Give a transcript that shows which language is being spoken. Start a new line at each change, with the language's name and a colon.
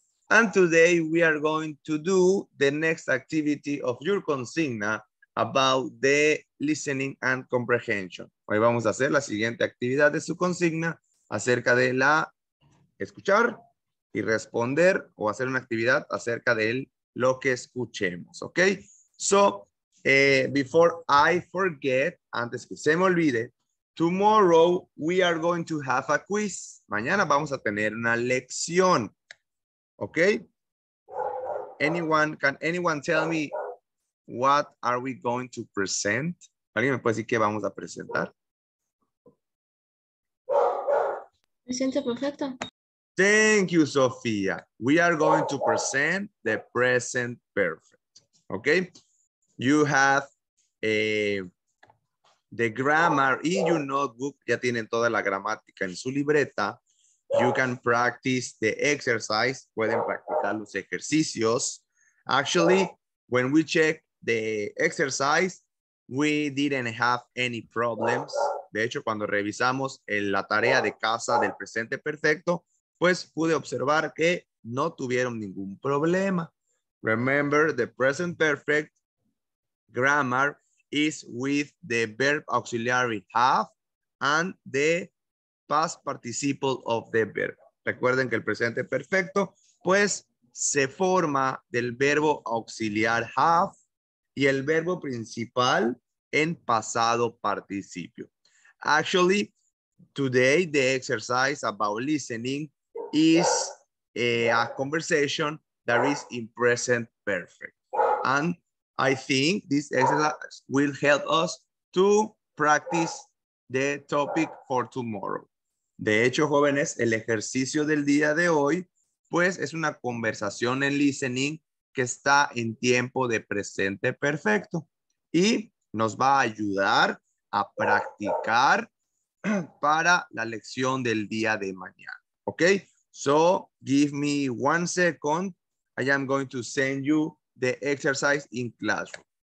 English: And today we are going to do the next activity of your consigna about the listening and comprehension.
Spanish: Hoy vamos a hacer la siguiente actividad de su consigna acerca de la escuchar y responder o hacer una actividad acerca de lo que escuchemos.
English: Okay, so before I forget, antes que se me olvide, tomorrow we are going to have a quiz.
Spanish: Mañana vamos a tener una lección. Okay?
English: Can anyone tell me what are we going to present?
Spanish: ¿Alguien me puede decir qué vamos a presentar? Me siento perfecto.
English: Thank you, Sofía. We are going to present the present perfect. Okay? You have the grammar in your notebook.
Spanish: Ya tienen toda la gramática en su libreta.
English: You can practice the exercise. Pueden practicar los ejercicios. Actually, when we check the exercise, we didn't have any problems.
Spanish: De hecho, cuando revisamos la tarea de casa del presente perfecto, pues pude observar que no tuvieron ningún problema.
English: Remember, the present perfect grammar is with the verb auxiliary have and the past participle of the verb.
Spanish: Recuerden que el presente perfecto, pues, se forma del verbo auxiliar have y el verbo principal en pasado participio.
English: Actually, today the exercise about listening is a conversation that is in present perfect. And I think this exercise will help us to practice the topic for tomorrow.
Spanish: De hecho, jóvenes, el ejercicio del día de hoy, pues es una conversación en listening que está en tiempo de presente perfecto y nos va a ayudar a practicar para la lección del día de mañana.
English: Ok, so give me 1 second. I am going to send you the exercise in classroom.